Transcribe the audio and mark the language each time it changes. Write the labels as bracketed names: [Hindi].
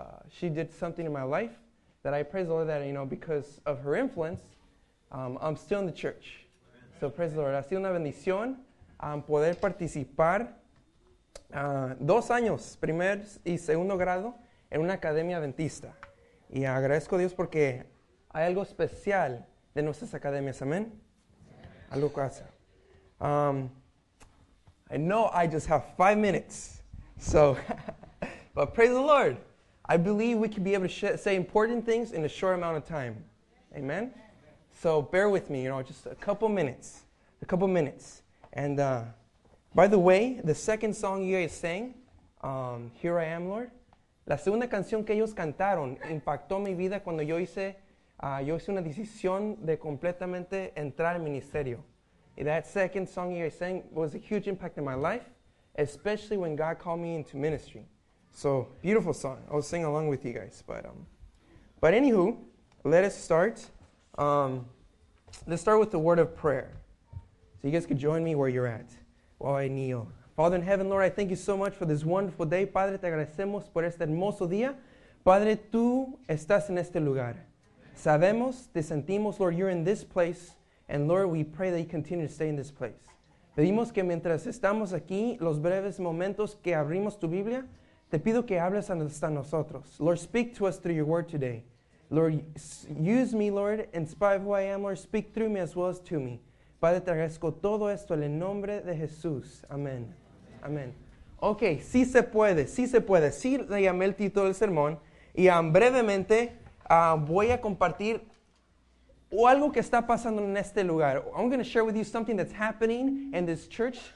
[English] She did something in my life that I praise the Lord that, you know, because of her influence, I'm still in the church. So praise the Lord. [Spanish] Ha sido una bendición poder participar 2 años, primer y segundo grado, en una academia adventista. Y agradezco a Dios porque hay algo especial de nuestras academias. Amén. Algo pasa. [English] I know I just have 5 minutes. So, but praise the Lord. I believe we can be able to say important things in a short amount of time. Amen. So bear with me, you know, just a couple minutes. A couple minutes. And by the way, the second song you guys sang, Here I Am, Lord. [Spanish] La segunda canción que ellos cantaron impactó mi vida cuando yo hice una decisión de completamente entrar al ministerio. [English] And that second song you guys sang was a huge impact in my life, especially when God called me into ministry. So, beautiful song. I'll sing along with you guys. But anywho, let us start. Let's start with the word of prayer. So you guys can join me where you're at while I kneel. Father in heaven, Lord, I thank you so much for this wonderful day. [Spanish] Padre, te agradecemos por este hermoso día. Padre, tú estás en este lugar. Sabemos, te sentimos, [English] Lord, you're in this place. And Lord, we pray that you continue to stay in this place. [Spanish] Pedimos que mientras estamos aquí, los breves momentos que abrimos tu Biblia, te pido que hables hasta nosotros. [English] Lord, speak to us through your word today. Lord, use me, Lord, in spite of who I am, Lord, speak through me as well as to me. [Spanish] Padre, te agradezco todo esto en el nombre de Jesús. Amén. Amén. Ok, sí se puede, sí se puede. Sí le llamé el título del sermón. Y brevemente voy a compartir algo que está pasando en este lugar. [English] I'm going to share with you something that's happening in this church.